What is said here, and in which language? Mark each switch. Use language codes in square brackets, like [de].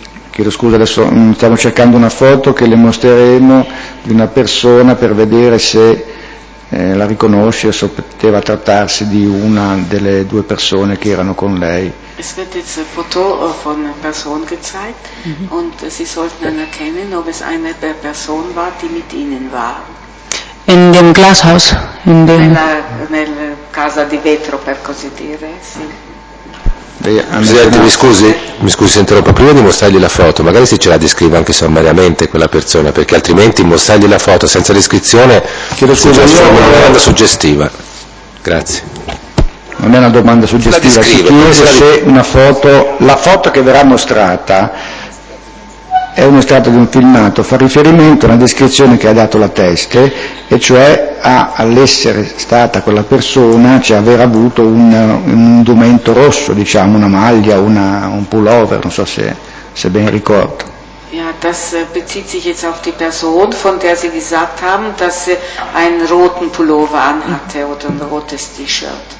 [it] Chiedo scusa, adesso stiamo cercando una foto che le mostreremo di una persona per vedere se la riconosce o se poteva trattarsi di una delle due persone che erano con lei. [de] Es wird jetzt eine Foto von einer Person gezeigt und Sie sollten dann erkennen, ob es eine Person war, die mit Ihnen war. In dem Glashaus. In dem [it] nel casa di vetro, per così dire, sì. Presidente, mi scusi se interrompo, prima di mostrargli la foto, magari se ce la descrive anche sommariamente quella persona, perché altrimenti mostrargli la foto senza descrizione è una domanda suggestiva. Grazie. Non è una domanda suggestiva, si chiede se la foto che verrà mostrata è un estratto di un filmato, fa riferimento a una descrizione che ha dato la teste, e cioè all'essere stata quella persona, cioè aver avuto un indumento rosso, diciamo una maglia, un pullover, non so se ben ricordo. [de] Ja, das bezieht sich jetzt auf die Person, von der Sie gesagt haben, dass sie einen roten Pullover anhatte oder ein rotes T-Shirt.